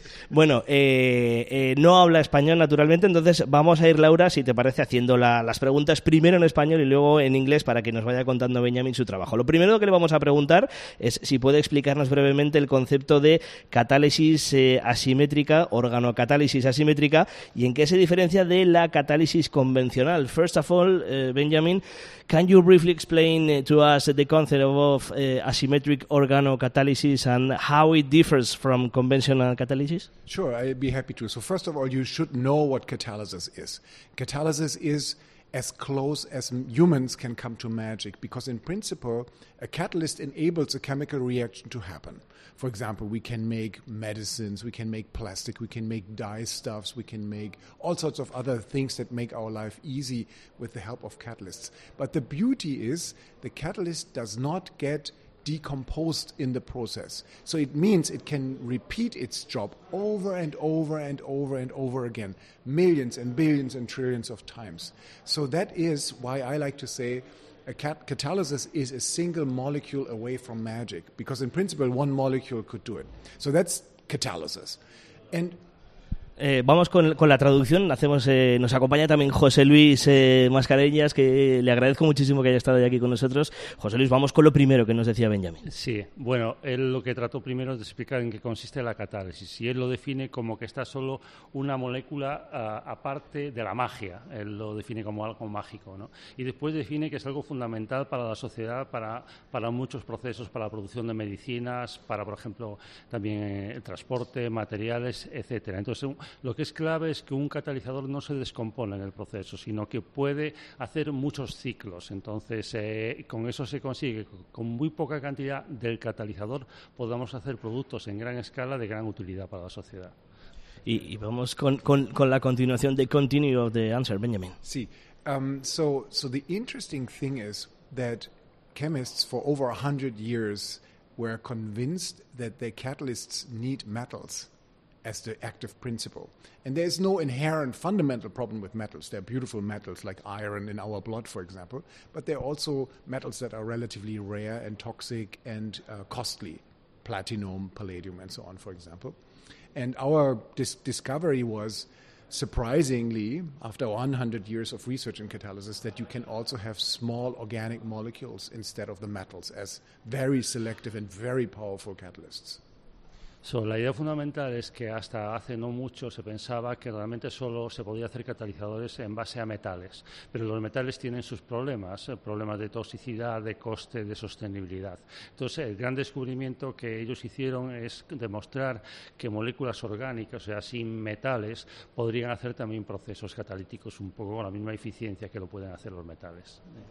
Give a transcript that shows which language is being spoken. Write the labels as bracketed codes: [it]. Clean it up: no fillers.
[es] Bueno, no habla español naturalmente, entonces vamos a ir, Laura, si te parece, haciendo las preguntas primero en español y luego en inglés para que nos vaya contando Benjamin su trabajo. Lo primero que le vamos a preguntar es si puede explicarnos brevemente el concepto de catálisis asimétrica, organocatálisis asimétrica, y en qué se diferencia de la catálisis convencional. [en] First of all, Benjamin, can you briefly explain to us the concept of asymmetric organocatálysis and how it differs from conventional catalysis? Sure, I'd be happy to. So first of all, you should know what catalysis is. Catalysis is as close as humans can come to magic, because in principle, a catalyst enables a chemical reaction to happen. For example, we can make medicines, we can make plastic, we can make dye stuffs, we can make all sorts of other things that make our life easy with the help of catalysts. But the beauty is the catalyst does not get decomposed in the process. So it means it can repeat its job over and over and over and over again, millions and billions and trillions of times. So that is why I like to say a catalysis is a single molecule away from magic, because in principle one molecule could do it. So that's catalysis. And [es] Vamos con la traducción. Nos acompaña también José Luis Mascareñas, que le agradezco muchísimo que haya estado aquí con nosotros. José Luis, vamos con lo primero que nos decía Benjamín. Sí, bueno, él lo que trató primero es de explicar en qué consiste la catálisis. Y él lo define como que está solo una molécula aparte de la magia. Él lo define como algo mágico, ¿no? Y después define que es algo fundamental para la sociedad, para muchos procesos, para la producción de medicinas, para, por ejemplo, también el transporte, materiales, etcétera. Entonces, lo que es clave es que un catalizador no se descompone en el proceso, sino que puede hacer muchos ciclos. Entonces, con eso se consigue que con muy poca cantidad del catalizador podamos hacer productos en gran escala de gran utilidad para la sociedad. Y vamos con la continuación de [en] Continue of the Answer, [es] Benjamin. Sí. [en] So the interesting thing is that chemists for over 100 years were convinced that their catalysts need metals as the active principle. And there's no inherent fundamental problem with metals. There are beautiful metals like iron in our blood, for example, but there are also metals that are relatively rare and toxic and costly, platinum, palladium, and so on, for example. And our discovery was, surprisingly, after 100 years of research in catalysis, that you can also have small organic molecules instead of the metals as very selective and very powerful catalysts. [es] So, la idea fundamental es que hasta hace no mucho se pensaba que realmente solo se podía hacer catalizadores en base a metales, pero los metales tienen sus problemas, problemas de toxicidad, de coste, de sostenibilidad. Entonces, el gran descubrimiento que ellos hicieron es demostrar que moléculas orgánicas, o sea, sin metales, podrían hacer también procesos catalíticos un poco con la misma eficiencia que lo pueden hacer los metales.